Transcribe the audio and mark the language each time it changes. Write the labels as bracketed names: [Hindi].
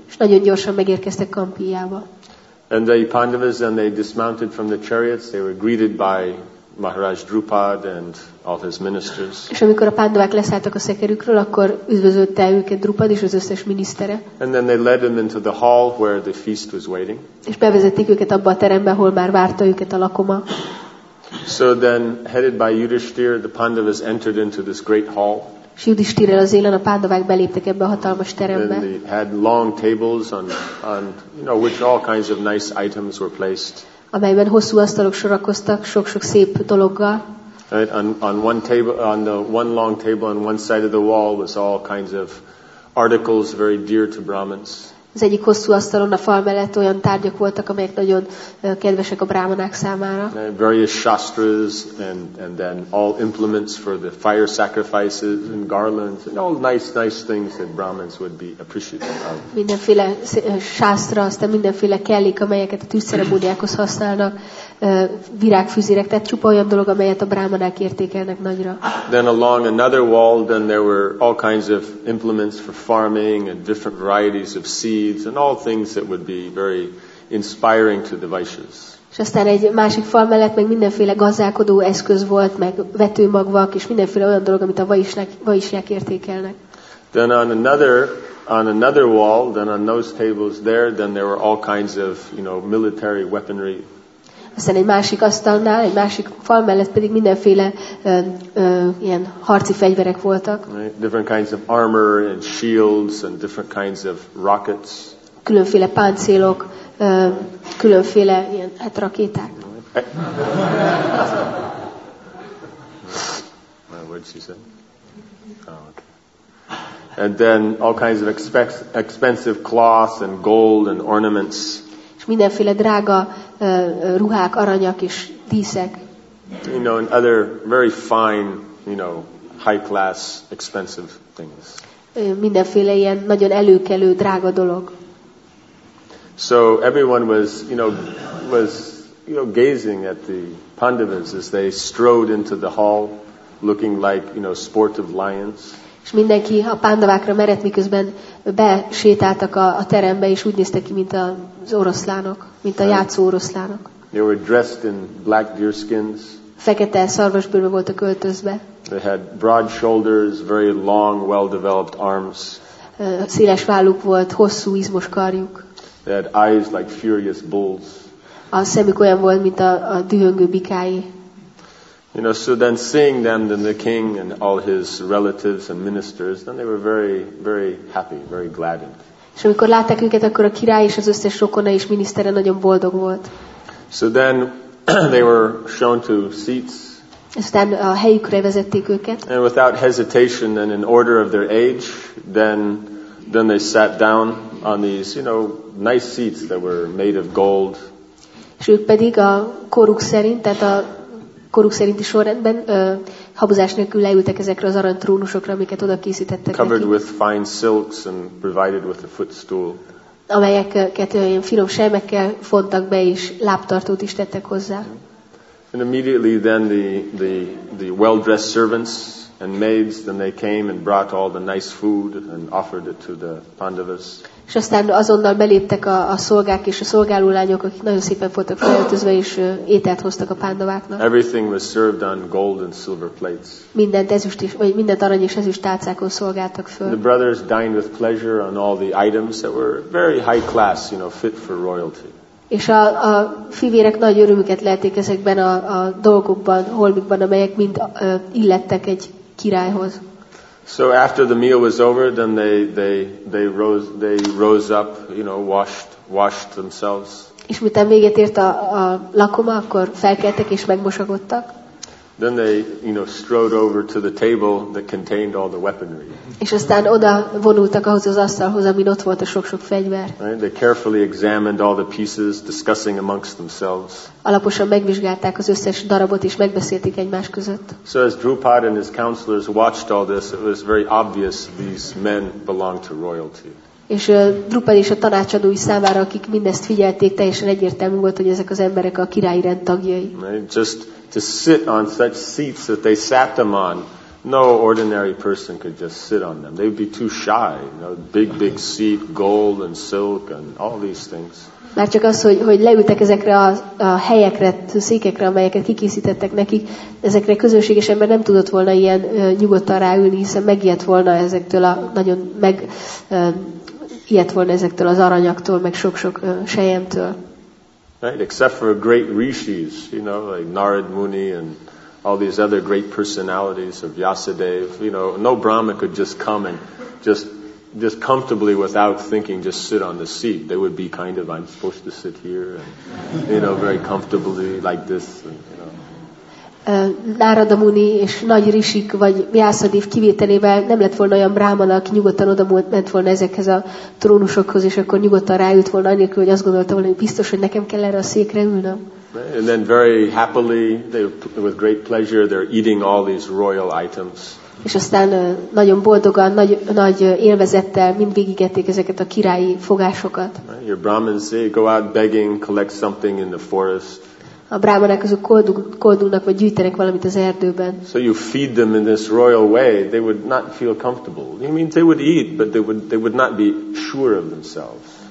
[Hungarian] És nagyon gyorsan megérkeztek Kampiljába. [English] And the Pandavas, then they dismounted from the chariots. They were greeted by Maharaj Drupad and all his ministers. [Hungarian] És amikor a Pandavák leszálltak a szekerükről, akkor üdvözölte őket Drupad és az összes minisztere. [English] And then they led them into the hall where the feast was waiting. [Hungarian] És bevezették őket abba a terembe, ahol már várta őket a lakoma. [English] So then, headed by Yudhishthir, the Pandavas entered into this great hall. [Hungarian] Yudhishthirrel az élen a Pandavák beléptek ebbe a hatalmas terembe. [English] And they had long tables on you know, which all kinds of nice items were placed. [Hungarian] Amelyben hosszú asztalok sorakoztak, sok-sok szép dologgal. [English] Right, on one table, on the one long table on one side of the wall was all kinds of articles very dear to Brahmins. [Hungarian] Az egyik hosszú asztalon a fal mellett olyan tárgyak voltak, amelyek nagyon kedvesek a brahmanák számára. [English] Various shastras and then all implements for the fire sacrifices and garlands and all nice things that Brahmins would be appreciative of. [Hungarian] Mindenféle shastra, aztán mindenféle kellék, amelyeket a tűzszeremóniákhoz használnak, virágfüzérek, tehát csupa olyan dolog, amelyet a brahmanák értékelnek nagyra. [English] Then along another wall, then there were all kinds of implements for farming and different varieties of seeds and all things that would be very inspiring to the Vaishyas. [Hungarian] És aztán egy másik fal mellett meg mindenféle gazdálkodó eszköz volt, meg vetőmagvak és mindenféle olyan dolog, amit a vaisják értékelnek. [English] Then on another wall, then on those tables there, then there were all kinds of, you know, military weaponry. [Hungarian] Aztán egy másik asztalnál, egy másik fal mellett pedig mindenféle ilyen harci fegyverek voltak. [English] Right. Different kinds of armor and shields and different kinds of rockets. [Hungarian] Különféle páncélok, különféle ilyen hát rakéták. [English] My words, she said. Oh, okay. And then all kinds of expensive cloth and gold and ornaments. [Hungarian] Mindenféle drága ruhák, aranyak és díszek. [English] You know, and other very fine, you know, high class, expensive things. [Hungarian] Mindenféle ilyen nagyon előkelő drága dolog. [English] So everyone was gazing at the Pandavas as they strode into the hall, looking like, you know, sportive lions. [Hungarian] És mindenki a pándavákra merett, miközben besétáltak a terembe, és úgy néztek ki, mint az oroszlánok, mint a játszó oroszlánok. [English] They were dressed in black deerskins. [Hungarian] Fekete szarvasbőrbe voltak öltözve. [English] They had broad shoulders, very long, well-developed arms. [Hungarian] Széles válluk volt, hosszú, izmos karjuk. [English] They had eyes like furious bulls. [Hungarian] A szemük olyan volt, mint a dühöngő bikái. [English] You know, so then seeing them, then the king and all his relatives and ministers, then they were very, very happy, very gladdened. [Hungarian] És amikor látták őket, akkor a király és az összes rokona és minisztere nagyon boldog volt. [English] So then they were shown to seats. [Hungarian] Aztán a helyükre vezették őket. [English] And without hesitation, then in order of their age, then they sat down on these, you know, nice seats that were made of gold. [Hungarian] És ők pedig a koruk szerint, tehát a koruk szerinti sorrendben habozás nélkül leültek ezekre az arany trónusokra, amiket oda készítettek. [English] Covered with fine silks and provided with a footstool. [Hungarian] Amelyeket ilyen finom sejmekkel fontak be, és lábtartót is tettek hozzá. [English] And immediately then the well-dressed servants and maids, then they came and brought all the nice food and offered it to the Pandavas. [Hungarian] És aztán azonnal beléptek a szolgák és a szolgálólányok, akik nagyon szépen voltak felöltözve, és ételt hoztak a pándováknak. [English] Everything was served on gold and silver plates. [Hungarian] Mindent ezüst is, vagy mindent arany és ezüst tálcákon szolgáltak föl. [English] The brothers dined with pleasure on all the items that were very high class, you know, fit for royalty. [Hungarian] És a fivérek nagy örömüket lehették ezekben a dolgokban, holmikban, amelyek mind illettek egy királyhoz. [English] So after the meal was over, then they rose up, you know, washed themselves. [Hungarian] És miután véget ért a lakoma, akkor felkeltek és megmosakodtak. [English] Then they, you know, strode over to the table that contained all the weaponry. [Hungarian] És aztán oda vonultak ahhoz az asztalhoz, amin ott volt a sok-sok fegyver. [English] Right? They carefully examined all the pieces, discussing amongst themselves. [Hungarian] Alaposan megvizsgálták az összes darabot és megbeszélték egymás között. [English] So as Drupad and his counselors watched all this, it was very obvious these men belonged to royalty. [Hungarian] És Drupad és a tanácsadói számára, akik mindezt figyelték, teljesen egyértelmű volt, hogy ezek az emberek a királyi rend tagjai. [English] Right? Just to sit on such seats that they sat them on, no ordinary person could just sit on them. They would be too shy. You know, big seat, gold and silk and all these things. [Hungarian] Már csak az, hogy leültek ezekre a helyekre, a székekre, amelyeket kikészítettek nekik, ezekre közönséges ember nem tudott volna ilyen nyugodtan ráülni, hiszen megijedt volna ezektől az aranyaktól, meg sok-sok sejemtől. [English] Right, except for great rishis, you know, like Narad Muni and all these other great personalities of Vyasadeva, you know, no Brahma could just come and just comfortably without thinking just sit on the seat. They would be kind of, I'm supposed to sit here, and, you know, very comfortably like this, and, you know. [Hungarian] Narada Muni és nagy Rishik vagy Vyasadev kivételével nem lett volna olyan brámana, aki nyugodtan oda ment volna ezekhez a trónusokhoz, és akkor nyugodtan ráült volna, anélkül, hogy azt gondolta volna, hogy biztos, hogy nekem kell erre a székre ülnöm. [English] And then very happily, with great pleasure, they're eating all these royal items. [Hungarian] És aztán nagyon boldogan, nagy élvezettel mind végigették ezeket a királyi fogásokat. [English] Your brahmins, they go out begging, collect something in the forest. [Hungarian] A brámanák azok koldulnak vagy gyűjtenek valamit az erdőben. [English] So you feed them in this royal way, they would not feel comfortable. You mean they would eat, but they would not be sure of themselves.